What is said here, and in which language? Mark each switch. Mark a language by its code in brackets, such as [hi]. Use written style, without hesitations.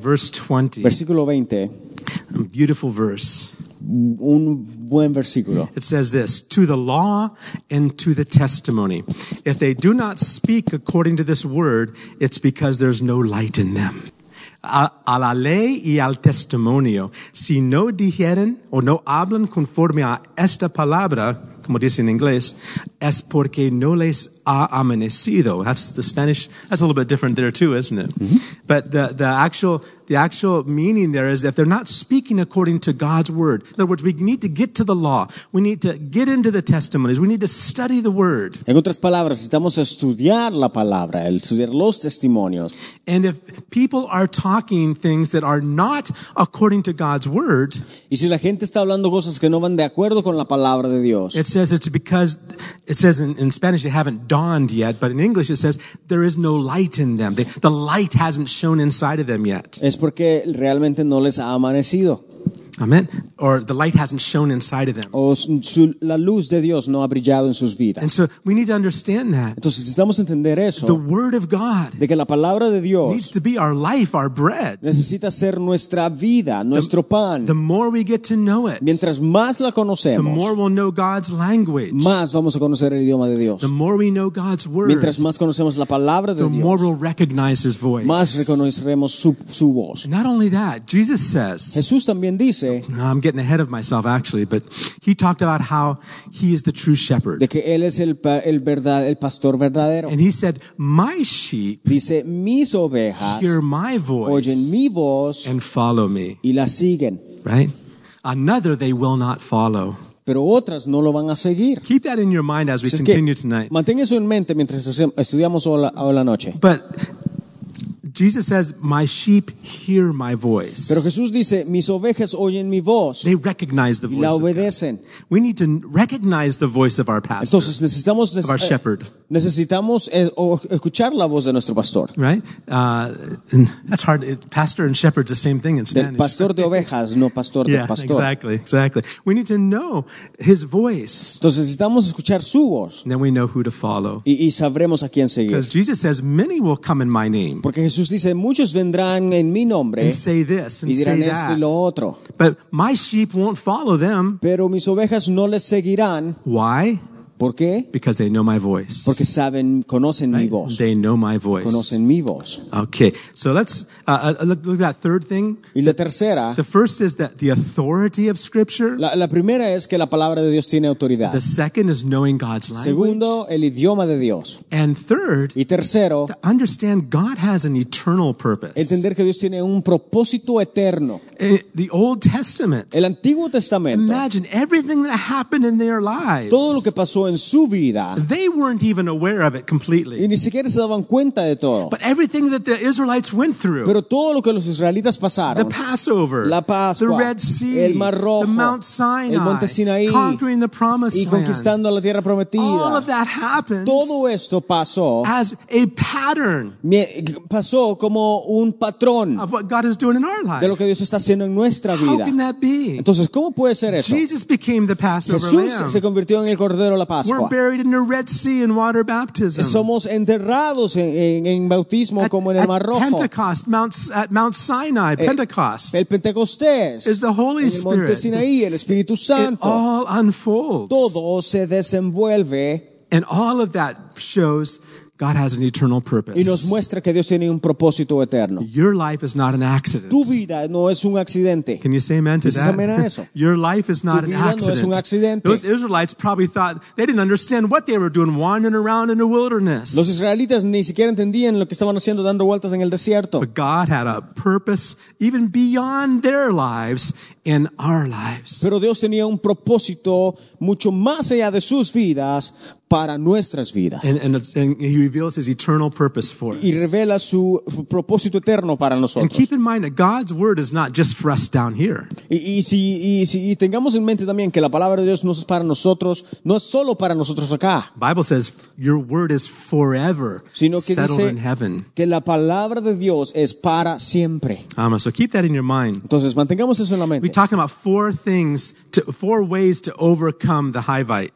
[en] verse 20. [es] Versículo 20. [en] Beautiful verse. [es] Un buen versículo. [en] It says this, to the law and to the testimony. If they do not speak according to this word, it's because there's no light in them. [es] A la ley y al testimonio. Si no dijeren o no hablan conforme a esta palabra, como dice en inglés, es porque no les ha amanecido. [en] That's the Spanish. That's a little bit different there too, isn't it? Mm-hmm. But the actual meaning there is if they're not speaking according to God's word. In other words, we need to get to the law. We need to get into the testimonies. We need to study the word. [es] En otras palabras, necesitamos estudiar la palabra, estudiar los testimonios. [en] And if people are talking things that are not according to God's word, [es] y si la gente está hablando cosas que no van de acuerdo con la palabra de Dios, [en] it says it's because it says in Spanish they haven't dawned yet, but in English it says there is no light in them. The light hasn't shone inside of them yet. [es] Es porque realmente no les ha amanecido. [en] Amen. Or the light hasn't shone inside of them. [es] O su, la luz de Dios no ha brillado en sus vidas. [en] And so we need to understand that. [es] Entonces necesitamos entender eso. [en] The word of God. [es] De que la palabra de Dios. [en] Needs to be our life, our bread. [es] Necesita ser nuestra vida, nuestro pan. [en] The more we get to know it. [es] Mientras más la conocemos. [en] The more we'll know God's language. [es] Más vamos a conocer el idioma de Dios. [en] The more we know God's word. [es] Mientras más conocemos la palabra de [en] the [es] Dios. [en] The more we'll recognize his voice. [es] Más reconoceremos su voz. [en] Not only that, Jesus says. [es] Jesús también dice. [en] I'm getting ahead of myself, actually, but he talked about how he is the true shepherd. [es] De que él es el pastor verdadero. [en] And he said, my sheep [es] dice, mis ovejas [en] hear my voice, [es] oyen mi voz [en] and follow me. [es] Y la siguen. [en] Right? Another they will not follow. [es] Pero otras no lo van a seguir. [en] Keep that in your mind as we [es] es [en] continue [es] que, [en] tonight. [es] Mantén eso en mente mientras estudiamos la noche. [en] But Jesus says, my sheep hear my voice. [es] Pero Jesús dice, mis ovejas oyen mi voz. [en] They recognize the voice. [es] Y la obedecen. [en] We need to recognize the voice of our pastor. [es] Entonces necesitamos [en] of our shepherd. [es] Necesitamos escuchar la voz de nuestro pastor. [en] Right? That's hard. Pastor and shepherd is the same thing in Spanish. [es] Del pastor de ovejas, no pastor [en] yeah, [es] del pastor. [en] Yeah, exactly. We need to know his voice. [es] Entonces necesitamos escuchar su voz. [en] And then we know who to follow. [es] Y sabremos a quién seguir. [en] Because Jesus says, many will come in my name. [es] Porque Jesús dice, muchos vendrán en mi nombre [en] and say this, and [es] y dirán [en] say [es] esto [en] that. [es] Y lo otro. [en] But my sheep won't follow them. [es] Pero mis ovejas no les seguirán. [en] Why? [es] ¿Por qué? [en] Because they know my voice. [es] Porque saben, conocen right? mi voz. [en] They know my voice. [es] Conocen mi voz. [en] Okay, so let's look at that third thing. [es] Y la tercera. [en] The first is that the authority of Scripture. [es] La primera es que la palabra de Dios tiene autoridad. [en] The second is knowing God's language. [es] Segundo, el idioma de Dios. [en] And third, [es] y tercero, [en] to understand God has an eternal purpose. [es] Entender que Dios tiene un propósito eterno. [en] The Old Testament. [es] El Antiguo Testamento. [en] Imagine everything that happened in their lives. [es] Todo lo que pasó en su vida. [en] They weren't even aware of it completely. [es] Y ni siquiera se daban cuenta de todo. [en] But everything that the Israelites went through. [es] Pero todo lo que los israelitas pasaron. [en] The Passover. [es] La Pascua. [en] The Red Sea. [es] El Mar Rojo. [en] The Mount Sinai. [es] El Monte Sinaí. [en] Conquering the Promised Land. [es] Y conquistando la Tierra Prometida. [en] All of that happened. [es] Todo esto pasó. [en] As a pattern. [es] Pasó como un patrón. [en] Of what God is doing in our lives. [es] De lo que Dios está haciendo en nuestra vida. [en] How can that be? [es] Entonces, ¿cómo puede ser eso? [en] Jesus became the Passover Lamb. [es] Jesús se convirtió en el Cordero la Pascua. [en] We're buried in the Red Sea in water baptism. [es] Somos enterrados en bautismo como en el Mar Rojo. [en] Pentecost, at Mount Sinai, Pentecost. [es] El Pentecostés. [en] Is the Holy Spirit. [es] El Monte Sinaí, el Espíritu Santo. [en] It all unfolds. [es] Todo se desenvuelve. [en] And all of that shows God has an eternal purpose. [es] Y nos muestra que Dios tiene un propósito eterno. [en] Your life is not an accident. [es] Tu vida no es un accidente. [en] Can you say amen to that? [es] Amen a eso. [en] Your life is not an accident. [es] Tu vida no es un accidente. [en] Those Israelites probably thought they didn't understand what they were doing wandering around in the wilderness. [es] Los israelitas ni siquiera entendían lo que estaban haciendo dando vueltas en el desierto. [en] But God had a purpose even beyond their lives in our lives. [es] Pero Dios tenía un propósito mucho más allá de sus vidas. Para nuestras vidas. [en] And he reveals his eternal purpose for us. [es] Y revela su propósito eterno para nosotros. [en] And keep in mind that God's word is not just for us down here. [es] Y tengamos en mente también que la palabra de Dios no es para nosotros, no es solo para nosotros acá. [en] Bible says your word is forever [es] sino que [en] settled [es] dice [en] in heaven. [es] Que la palabra de Dios es para siempre. [en] So keep that in your mind. [es] Entonces mantengamos eso en la mente. [en] We're talking about four ways to overcome the Hivites.